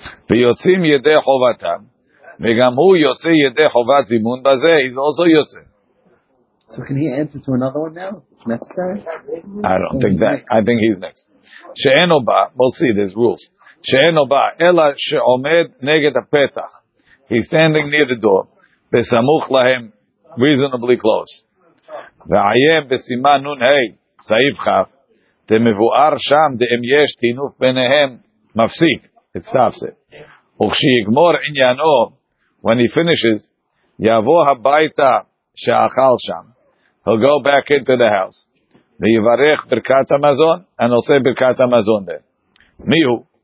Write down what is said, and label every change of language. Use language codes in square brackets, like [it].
[he] ויוצאים ידי חובתם, וגם הוא יוצא ידי חובת זימון בזה, [en] he's also [he] יוצא. [en] So can he answer to another one now? If necessary? I don't think that. I think he's next. [he] שאינו בא, [en] we'll see, there's rules. [he] שאינו בא, אלא שעומד נגד הפתח. [en] He's standing near the door, [he] בסמוך להם, [en] reasonably close. [he] ועיים בסימן נון ה', סעיף חף, דמבואר שם, דאם יש תינוף ביניהם, מפסיק. [en] It stops it. [he] וכשיגמור עניינו, [en] when he finishes, [he] יבוא הביתה שאכל שם, [en] he'll go back into the house, [he] ויברך ברכת המזון, [en] and he'll say [he] ברכת המזון there. מי הוא?